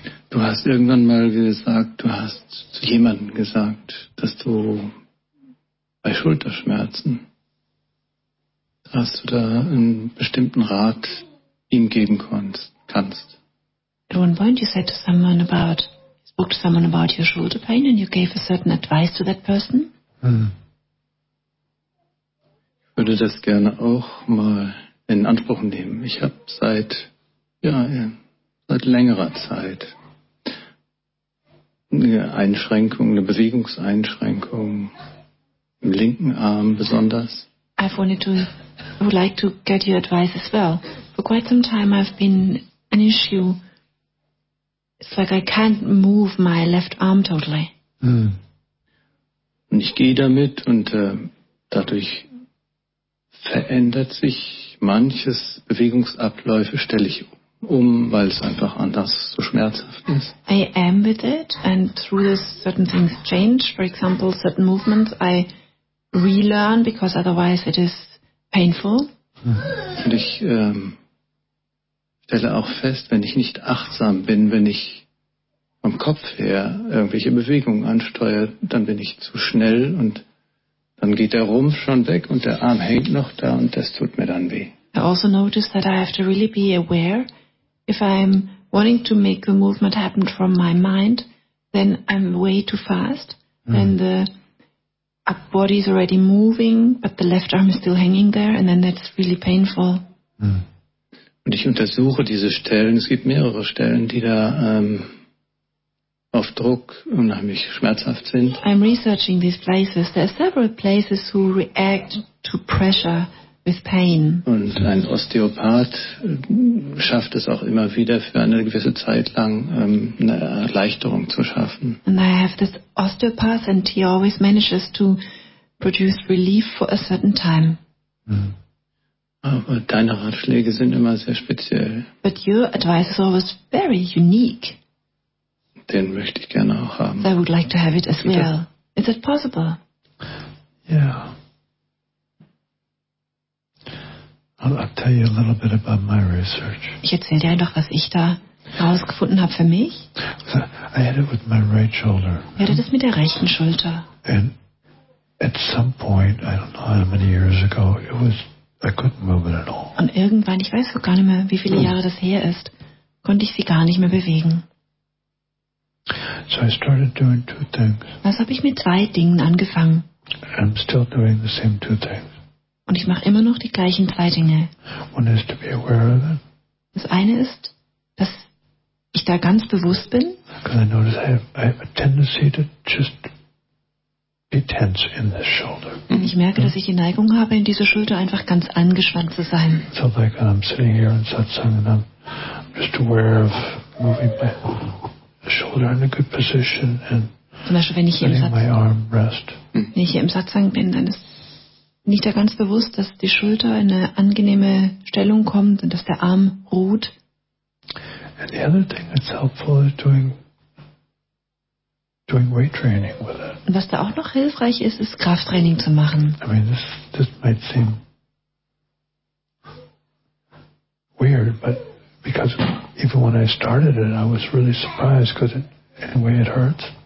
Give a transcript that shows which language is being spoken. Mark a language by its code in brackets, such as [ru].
[de] Du hast irgendwann mal gesagt, du hast zu jemandem gesagt, dass du bei Schulterschmerzen, hast du da einen bestimmten Rat ihm geben kannst. [en] At one point you said to someone about, spoke to someone about your shoulder pain and you gave a certain advice to that person. [de] Ich würde das gerne auch mal in Anspruch nehmen. Ich habe seit längerer Zeit eine Einschränkung, eine Bewegungseinschränkung im linken Arm besonders. [en] I would like to get your advice as well. For quite some time I've been an issue. It's like I can't move my left arm totally. [de] Und ich gehe damit und dadurch verändert sich manches Bewegungsabläufe, stelle ich um, weil es einfach anders so schmerzhaft ist. [en] I am with it and through this certain things change. For example, certain movements I relearn because otherwise it is painful. [de] Und ich stelle auch fest, wenn ich nicht achtsam bin, wenn ich vom Kopf her irgendwelche Bewegungen ansteuere, dann bin ich zu schnell und dann geht der Rumpf schon weg und der Arm hängt noch da und das tut mir dann weh. [en] I also notice that I have to really be aware. If I'm wanting to make a movement happen from my mind, then I'm way too fast. And the upper body is already moving, but the left arm is still hanging there, and then that's really painful. [de] Und ich untersuche diese Stellen. Es gibt mehrere Stellen, die da auf Druck unheimlich schmerzhaft sind. [en] I'm researching these places. There are several places who react to pressure with pain. [de] Und ein Osteopath schafft es auch immer wieder, für eine gewisse Zeit lang eine Erleichterung zu schaffen. [en] And I have this osteopath, and he always manages to produce relief for a certain time. [de] Aber deine Ratschläge sind immer sehr speziell. [en] But your advice is always very unique. [de] Den möchte ich gerne auch haben. [en] So I would like to have it as well. Is it possible? Yeah. I'll tell you a little bit about my research. [de] Ich erzähle dir einfach, was ich da herausgefunden habe für mich. [en] I had it with my right shoulder. [de] Ich hatte das mit der rechten Schulter. [en] And at some point, I don't know how many years ago, it was I couldn't move it at all. [de] Und irgendwann, ich weiß gar nicht mehr, wie viele Jahre das her ist, konnte ich sie gar nicht mehr bewegen. [en] So I started doing two things. [de] Also habe ich mit zwei Dingen angefangen. [en] I'm still doing the same two things. [de] Und ich mache immer noch die gleichen zwei Dinge. [en] One is to be aware of it. [de] Das eine ist, dass ich da ganz bewusst bin. [en] Because I notice I have a tendency to just be tense in this shoulder. [de] Und ich merke, dass ich die Neigung habe, in dieser Schulter einfach ganz angespannt zu sein. [en] So like when I'm sitting here in Satsang and I'm just aware of moving my shoulder in a good position and [de] zum Beispiel, wenn ich hier [en] letting my arm rest. [de] Wenn ich hier im Satsang bin, dann ist nicht da ganz bewusst, dass die Schulter in eine angenehme Stellung kommt und dass der Arm ruht. [en] And the other thing that's helpful is doing weight training with it. [de] Und was da auch noch hilfreich ist, ist Krafttraining zu machen. [en] I mean, this might seem weird, but because even when I started it, I was really surprised because in a way it hurts.